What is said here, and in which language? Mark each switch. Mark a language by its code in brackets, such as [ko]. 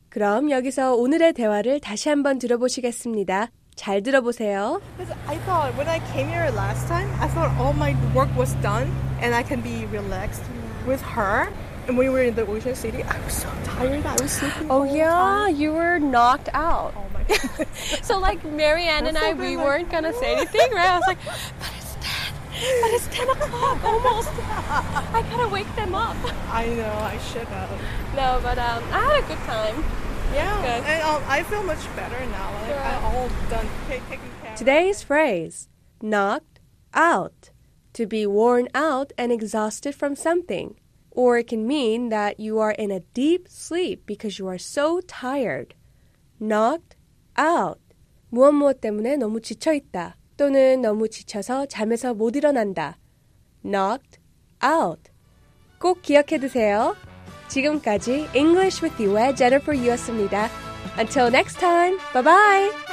[ko] 그럼 여기서 오늘의 대화를 다시 한번 들어보시겠습니다. 잘 들어보세요. [en] I thought when I came here last time, I thought all my work was done and I can be relaxed with her. And when we were in the Ocean City, I was so tired. I was sleeping. Oh yeah, time. You were knocked out. Oh my god. So like Marianne and I, we like, weren't gonna say anything, right? I was like, but it's 10 o'clock almost. I gotta wake them up. I know, I should have. No, but I had a good time. Yeah, and I feel much better now. Like, sure. I'm all done taking care. Today's phrase, knocked out, to be worn out and exhausted from something. Or it can mean that you are in a deep sleep because you are so tired. Knocked out. [ko] 무엇 무엇 때문에 너무 지쳐 있다. 또는 너무 지쳐서 잠에서 못 일어난다. Knocked out. 꼭 기억해 두세요. 지금까지 English with You의 Jennifer Yu였습니다. [en] Until next time, bye-bye!